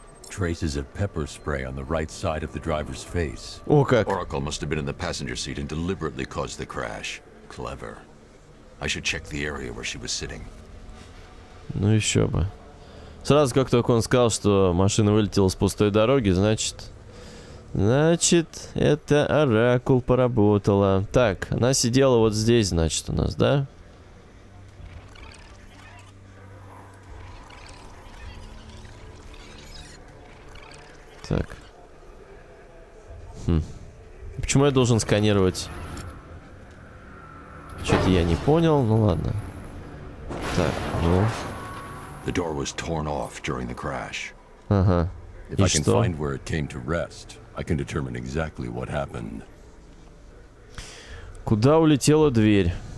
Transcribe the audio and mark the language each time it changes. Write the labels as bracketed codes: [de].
[en] Traces of pepper spray on the right side of the driver's face. [ru] О, как. [en] Oracle must have been in the passenger seat and deliberately caused the crash. Clever. I should check the area where she was sitting. [ru] Ну еще бы. Сразу как только он сказал, что машина вылетела с пустой дороги, значит... Значит, это Оракул поработала. Так, она сидела вот здесь, значит, у нас, да? Так. Хм. Почему я должен сканировать? Что-то я не понял, ну ладно. Так, ну... [en] The door was torn off during the crash. [ru] Ага. [en] If I can find where it came to rest, I can determine exactly what happened. [ru] Куда улетела дверь?